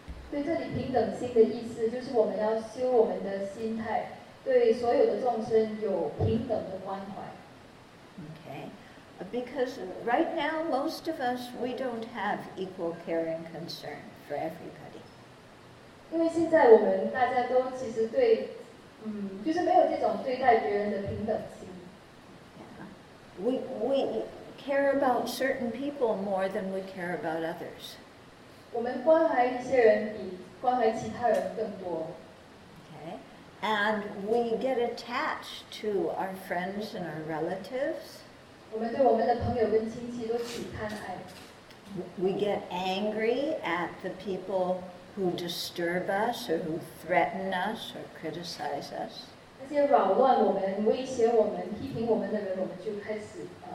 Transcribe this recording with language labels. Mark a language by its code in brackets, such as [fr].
[zh] 对，这里平等心的意思就是我们要修我们的心态，对所有的众生有平等的关怀。 [en] Okay, because right now most of us, we don't have equal care and concern for everybody. [zh] 因为现在我们大家都其实对，就是没有这种对待别人的平等心。 [en] We care about certain people more than we care about others. [zh] 我们关怀一些人比关怀其他人更多。 [en] Okay, and we get attached to our friends and our relatives. [zh] 我们对我们的朋友跟亲戚都起贪爱。 [en] We get angry at the people who disturb us or who threaten us or criticize us. [zh] 那些扰乱我们、威胁我们、批评我们的人，我们就开始。